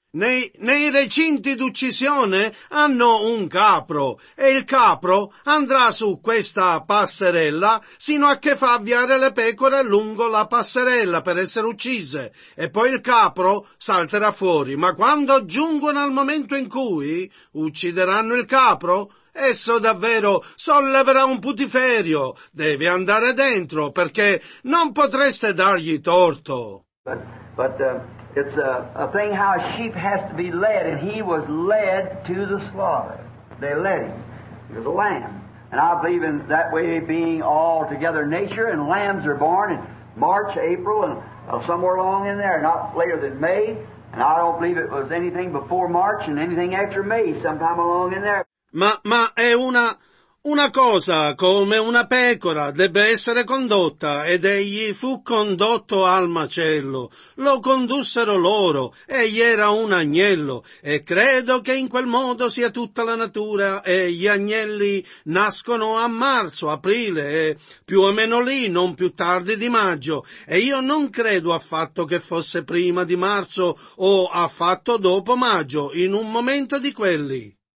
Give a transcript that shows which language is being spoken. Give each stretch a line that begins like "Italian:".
Italian: Nei recinti d'uccisione hanno un capro, e il capro andrà su questa passerella sino a che fa avviare le pecore lungo la passerella per essere uccise, e poi il capro salterà fuori. Ma quando giungono al momento in cui uccideranno il capro, esso davvero solleverà un putiferio. Deve andare dentro, perché non potreste dargli torto.
English: It's a thing how a sheep has to be led, and he was led to the slaughter. They led him. He was a lamb. And I believe in that way being all together nature, and lambs are born in March, April, and somewhere along in there, not later than May. And I don't believe it was anything before March and anything after May, sometime along in there.
Italian: Ma è una cosa come una pecora debba essere condotta, ed egli fu condotto al macello. Lo condussero loro, egli era un agnello, e credo che in quel modo sia tutta la natura, e gli agnelli nascono a marzo, aprile, e più o meno lì, non più tardi di maggio, e io non credo affatto che fosse prima di marzo o affatto dopo maggio, in un momento di quelli.